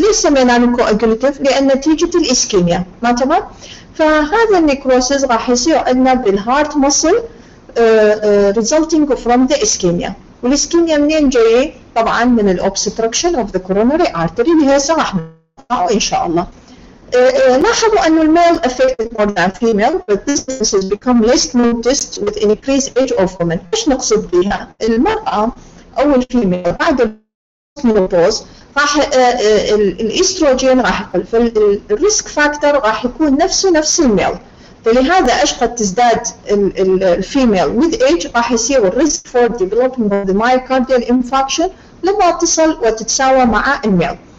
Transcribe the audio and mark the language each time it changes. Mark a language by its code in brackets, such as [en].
[ar] ليش سمينا coagulative؟ لأن نتيجة الإسكيميا. ما تمام؟ فهذا النيكروسيس راح يصير عندنا بالهارت مسل [en] resulting from the ischemia. [ar] والإسكيميا منين جاي؟ طبعاً من الأوبستركشن [en] of the coronary artery [ar] اللي هسه راح نقراه إن شاء الله. لاحظوا أن الميل [en] affected more than female but this disease has become less noticed with increased age of women. [ar] إيش نقصد بها؟ المرأة أو الفيميل بعد المنوبوز راح الإستروجين راح يقل فالريسك فاكتور راح يكون نفس الميل. فلهذا إيش قد تزداد الفيميل with age راح يصير الريسك [en] for developing of the myocardial infarction [ar] لما تصل وتتساوى مع الميل.